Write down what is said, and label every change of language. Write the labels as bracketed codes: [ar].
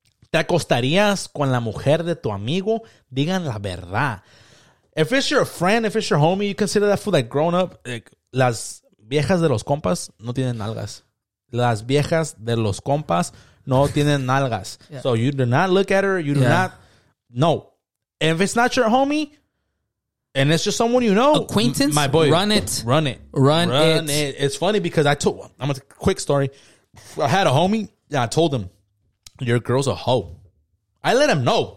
[es] ¿Te acostarías con la mujer de tu amigo? Digan la verdad. [en] If it's your friend, if it's your homie, you consider that fool like grown up. [es] Like, las viejas de los compas no tienen nalgas. Las viejas de los compas no tienen nalgas. [en] Yeah. So you do not look at her. You do not. No. If it's not your homie and it's just someone you know. Acquaintance. My boy. Run it. It's funny because I'm a quick story. I had a homie and I told him, your girl's a hoe. I let him know.